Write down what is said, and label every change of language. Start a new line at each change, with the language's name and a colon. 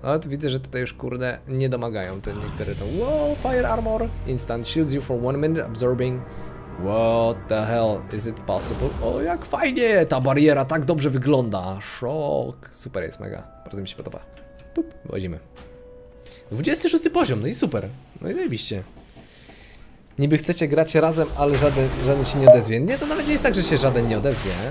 Polish: Ale to widzę, że tutaj już kurde nie domagają te niektóre to.
English: Wow, fire armor! Instant shields you for 1 minute, absorbing. What the hell? Is it possible?
Polish: O, jak fajnie! Ta bariera tak dobrze wygląda! Szok! Super jest, mega. Bardzo mi się podoba. Pup, wchodzimy. 26 poziom, no i super. No i zajebiście. Niby chcecie grać razem, ale żaden się nie odezwie. Nie, to nawet nie jest tak, że się żaden nie odezwie.